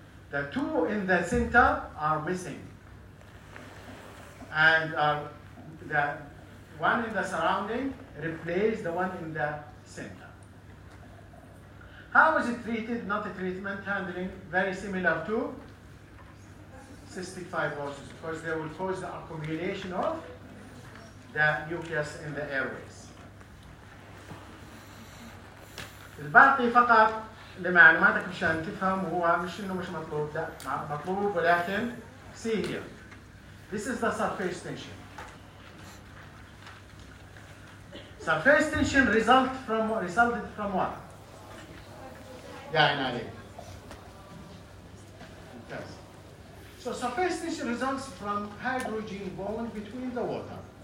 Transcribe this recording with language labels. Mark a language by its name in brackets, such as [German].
[English] The two in the center are missing. And the one in the surrounding replaced the one in the center. How is it treated? Not a treatment, handling, very similar to cystic fibrosis, because they will cause the accumulation of the nucleus in the airways. [Arabic] الباقي فقط لمعلوماتك مشان تفهم هو مش انه مش مطلوب لا مطلوب ولكن [English] see here. This is the surface tension. Surface tension resulted from what? [Arabic] يعني عليه. [English] So surface tension results from hydrogen bond between the water.